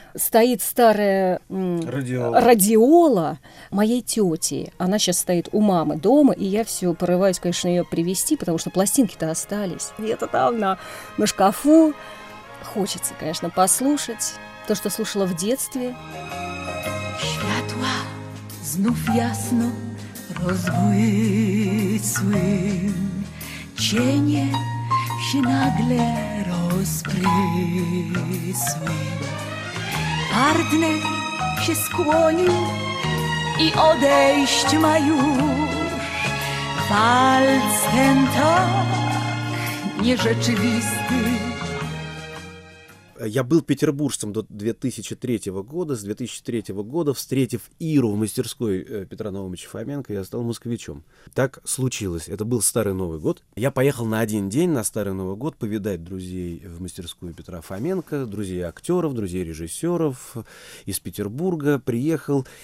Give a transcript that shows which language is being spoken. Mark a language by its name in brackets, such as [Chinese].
[Russian] Стоит старая радиола моей тети. Она сейчас стоит у мамы дома, и я все порываюсь, конечно, ее привезти, потому что пластинки-то остались. Где-то там на шкафу. Хочется, конечно, послушать то, что слушала в детстве. [Polish] Światła znów jasno rozbłysły, cienie się nagle rozprysły. Partner się skłonił i odejść ma już. Walc ten tak nierzeczywisty. [Russian] Я был петербуржцем до 2003 года. С 2003 года, встретив Иру в мастерской Петра Наумовича Фоменко, я стал москвичом. Так случилось. Это был Старый Новый год. Я поехал на один день на Старый Новый год повидать друзей в мастерскую Петра Фоменко, друзей актеров, друзей режиссеров из Петербурга. Приехал.